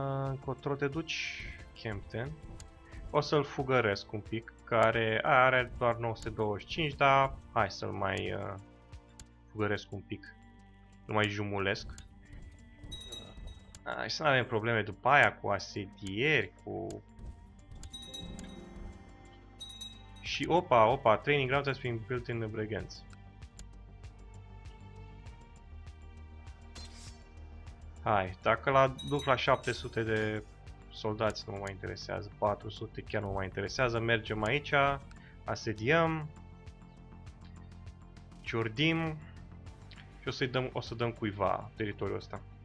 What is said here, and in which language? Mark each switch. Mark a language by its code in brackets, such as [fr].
[ro] Încotro te duci, Kempten? O să-l fugăresc un pic, care are doar 925, dar hai să-l mai fugăresc un pic. Nu mai jumulesc. Să nu avem probleme după aia cu asedieri, cu... Și opa, [en] training ground has been built in the Bregenz. [ro] Hai, dacă la duc la 700 de soldați nu mă mai interesează, 400 chiar nu mă mai interesează, mergem aici, asediem, ciordim și o să dăm cuiva teritoriul ăsta.